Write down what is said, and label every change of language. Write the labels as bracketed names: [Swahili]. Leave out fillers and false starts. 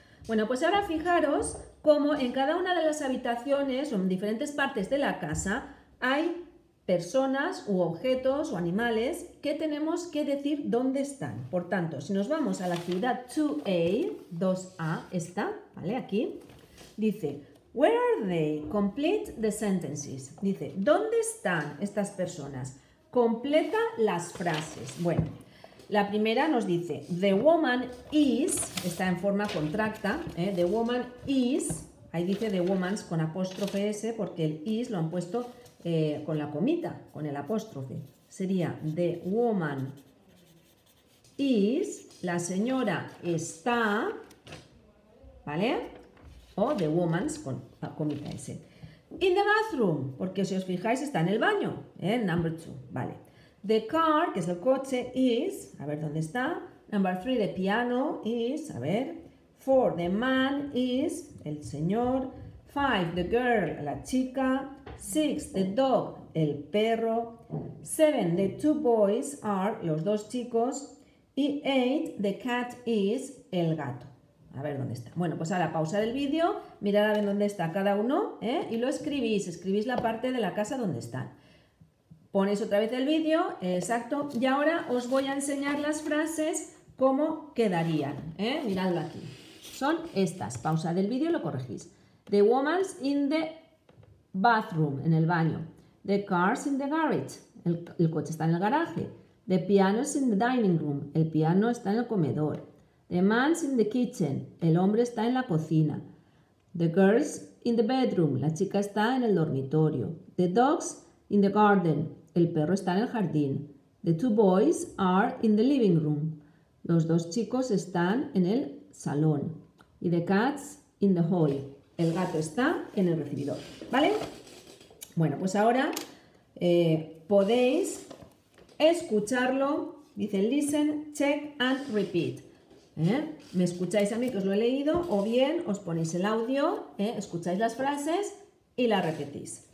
[Spanish] Bueno, pues ahora fijaros cómo en cada una de las habitaciones o en diferentes partes de la casa hay personas u objetos o animales que tenemos que decir dónde están. Por tanto, si nos vamos a la actividad 2A, 2A, esta, ¿vale? Aquí, dice, [English] where are they? Complete the sentences. [Spanish] Dice, ¿dónde están estas personas? Completa las frases. Bueno, la primera nos dice, [English] the woman is, [Spanish] está en forma contracta, the woman is, ahí dice [English] the woman's [Spanish] con apóstrofe S porque el is lo han puesto con la comita, con el apóstrofe. Sería [English] the woman is, [Spanish] la señora está, ¿vale? O [English] the woman's [Spanish] con la comita S. [English] In the bathroom, [Spanish] porque si os fijáis está en el baño, [English] number two, [Spanish] ¿vale? [English] The car, [Spanish] que es el coche, is, a ver dónde está. [English] Number three, the piano is, a ver. Four, the man is, [Spanish] el señor. [English] 5, the girl, [Spanish] la chica. 6, [English] the dog, [Spanish] el perro. 7, [English] the two boys are, [Spanish] los dos chicos. Y 8, [English] the cat is, [Spanish] el gato. A ver dónde está. Bueno, pues ahora pausar el vídeo, mirar a ver dónde está cada uno, ¿eh? Y lo escribís, escribís la parte de la casa donde están. Ponéis otra vez el vídeo, exacto. Y ahora os voy a enseñar las frases cómo quedarían, ¿eh? Miradlo aquí. Son estas. Pausad el vídeo y lo corregís. [English] The woman's in the bathroom, [Spanish] en el baño. [English] The car's in the garage. [Spanish] El coche está en el garaje. [English] The piano's in the dining room. [Spanish] El piano está en el comedor. [English] The man's in the kitchen. [Spanish] El hombre está en la cocina. [English] The girl's in the bedroom. [Spanish] La chica está en el dormitorio. [English] The dog's in the garden. [Spanish] El perro está en el jardín. [English] The two boys are in the living room. [Spanish] Los dos chicos están en el salón. Y [English] the cat's in the hall. [Spanish] El gato está en el recibidor. ¿Vale? Bueno, pues ahora podéis escucharlo. Dice [English] listen, check and repeat. [Spanish] Me escucháis a mí que os lo he leído, o bien os ponéis el audio, escucháis las frases y las repetís.